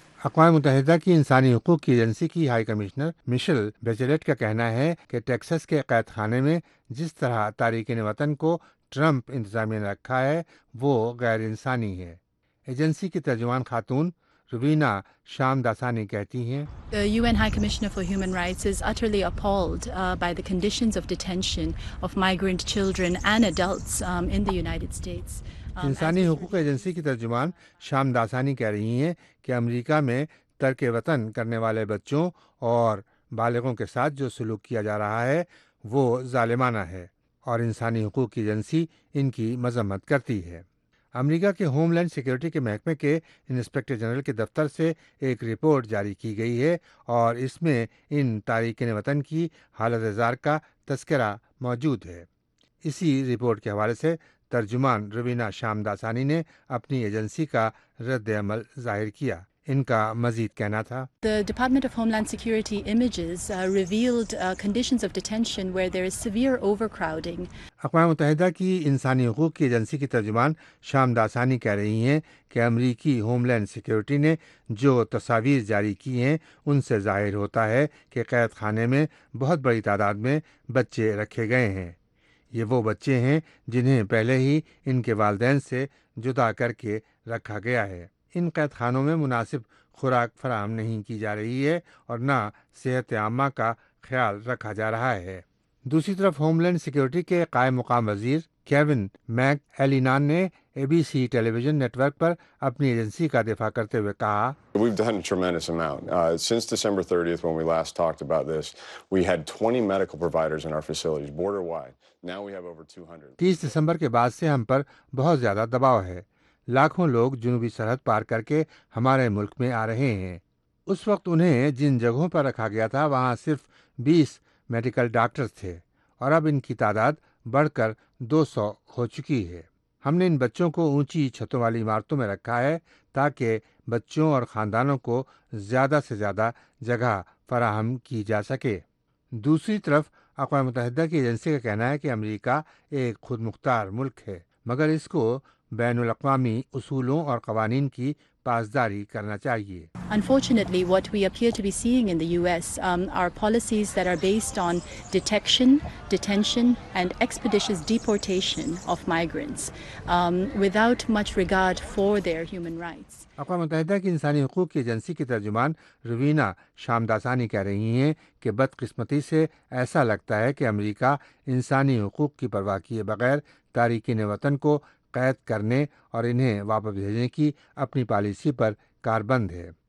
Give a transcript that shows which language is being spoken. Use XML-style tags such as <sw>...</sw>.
<ur>اقوام متحدہ کی انسانی حقوق کی ایجنسی کی ہائی کمشنر مشل بیچلٹ کا کہنا ہے کہ ٹیکساس کے قید خانے میں جس طرح تارکین وطن کو ٹرمپ انتظامیہ نے رکھا ہے وہ غیر انسانی ہے۔ ایجنسی کی ترجمان خاتون روینا شام داسانی کہتی ہیں</ur> <en>The UN High Commissioner for Human Rights is utterly appalled by the conditions of detention of migrant children and adults in the United States۔</en> <ur>انسانی حقوق ایجنسی کی ترجمان شام داسانی کہہ رہی ہیں کہ امریکہ میں ترک وطن کرنے والے بچوں اور بالغوں کے ساتھ جو سلوک کیا جا رہا ہے وہ ظالمانہ ہے اور انسانی حقوق کی ایجنسی ان کی مذمت کرتی ہے۔ امریکہ کے ہوم لینڈ سیکیورٹی کے محکمے کے انسپکٹر جنرل کے دفتر سے ایک رپورٹ جاری کی گئی ہے اور اس میں ان تارکین وطن کی حالت ازار کا تذکرہ موجود ہے۔ اسی رپورٹ کے حوالے سے ترجمان روینا شام داسانی نے اپنی ایجنسی کا رد عمل ظاہر کیا۔ ان کا مزید کہنا تھا</ur> <en>The Department of Homeland Security images revealed conditions of detention where there is severe overcrowding۔</en> <ur>اقوام متحدہ کی انسانی حقوق کی ایجنسی کی ترجمان شام داسانی کہہ رہی ہیں کہ امریکی ہوم لینڈ سیکیورٹی نے جو تصاویر جاری کی ہیں ان سے ظاہر ہوتا ہے کہ قید خانے میں بہت بڑی تعداد میں بچے رکھے گئے ہیں۔ یہ وہ بچے ہیں جنہیں پہلے ہی ان کے والدین سے جدا کر کے رکھا گیا ہے۔ ان قید خانوں میں مناسب خوراک فراہم نہیں کی جا رہی ہے اور نہ صحت عامہ کا خیال رکھا جا رہا ہے۔ دوسری طرف ہوم لینڈ سیکیورٹی کے قائم مقام وزیر کیون میک ایلینان نے اے بی سی ٹیلی ویژن نیٹ ورک پر اپنی ایجنسی کا دفاع کرتے ہوئے کہا</ur> <en>We've done a tremendous amount. Since December 30th when we last talked about this, we had 20 medical providers in our facilities border wide. Now we have over 200.</en> <ur>30 دسمبر کے بعد سے ہم پر بہت زیادہ دباؤ ہے۔ لاکھوں لوگ جنوبی سرحد پار کر کے ہمارے ملک میں آ رہے ہیں۔ اس وقت انہیں جن جگہوں پر رکھا گیا تھا وہاں صرف 20 میڈیکل ڈاکٹرز تھے اور اب ان کی تعداد بڑھ کر 200 ہو چکی ہے۔ ہم نے ان بچوں کو اونچی چھتوں والی عمارتوں میں رکھا ہے تاکہ بچوں اور خاندانوں کو زیادہ سے زیادہ جگہ فراہم کی جا سکے۔ دوسری طرف اقوام متحدہ کی ایجنسی کا کہنا ہے کہ امریکہ ایک خود مختار ملک ہے، مگر اس کو بین الاقوامی اصولوں اور قوانین کی پاسداری کرنا چاہیے.</ur> <en>Unfortunately, what we appear to be seeing in the US are policies that are based on detection, detention and expeditious deportation of migrants without much regard for their human rights.</en> <ur>اقوام متحدہ کی انسانی حقوق کی ایجنسی کی ترجمان روینا شامداسانی کہہ رہی ہیں کہ بدقسمتی سے ایسا لگتا ہے کہ امریکہ انسانی حقوق کی پرواہ کیے بغیر تارکین وطن کو قید کرنے اور انہیں واپس بھیجنے کی اپنی پالیسی پر کاربند ہے.</ur>